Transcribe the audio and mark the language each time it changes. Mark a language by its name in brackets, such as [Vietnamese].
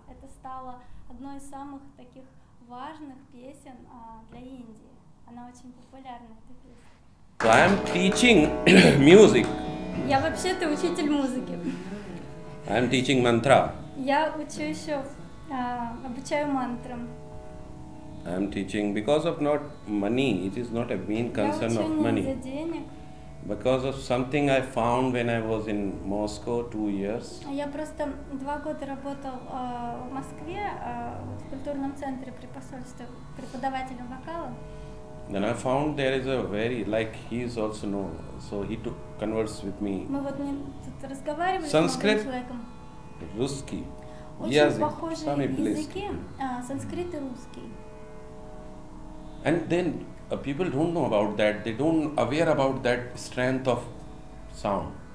[Russian] Это стало одной из самых таких важных песен для Индии. Она очень популярна, эта песня. [English] I'm teaching music. [Russian] Я вообще-то учитель музыки. [English] I'm teaching mantra. [Russian] Я учу еще, обучаю мантрам. [English] I'm teaching because of not money. It is not a main concern of money. [Russian] Я учу не за денег. [English] Because of something I found when I was in Moscow 2 years. [Russian] Я просто 2 года работал в Москве в культурном центре при посольстве преподавателем вокала. [English] Then I found there is a very like he is also know so he took converse with me. [Russian] Мы вот не тут разговаривали с одним человеком. Русский. Очень язык, похожие языки. Санскрит и русский. [English] And then people don't know about that. They don't aware about that strength of sound.